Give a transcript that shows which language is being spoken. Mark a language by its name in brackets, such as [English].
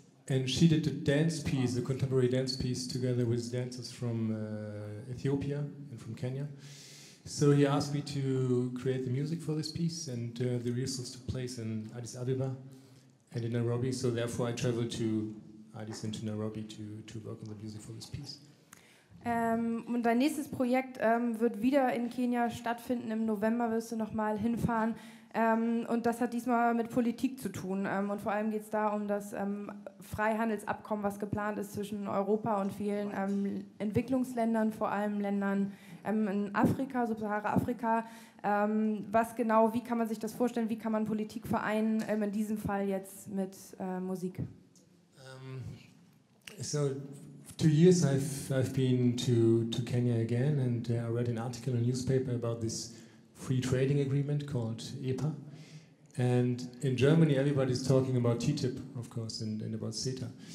[English] And she did a dance piece, a contemporary dance piece, together with dancers from Ethiopia and from Kenya. So he asked me to create the music for this piece, and the rehearsals took place in Addis Ababa and in Nairobi. So therefore I traveled to Addis and to Nairobi to work on the music for this piece. [German] Und dein nächstes Projekt wird wieder in Kenia stattfinden. Im November wirst du nochmal hinfahren. Und das hat diesmal mit Politik zu tun. Und vor allem geht es da um das Freihandelsabkommen, was geplant ist zwischen Europa und vielen Entwicklungsländern, vor allem Ländern in Afrika, Subsahara-Afrika. Was genau, wie kann man sich das vorstellen? Wie kann man Politik vereinen, in diesem Fall jetzt mit Musik? [English] So 2 years I've been to Kenya again, and I read an article in a newspaper about this free trading agreement called EPA. And in Germany, everybody's talking about TTIP, of course, and about CETA.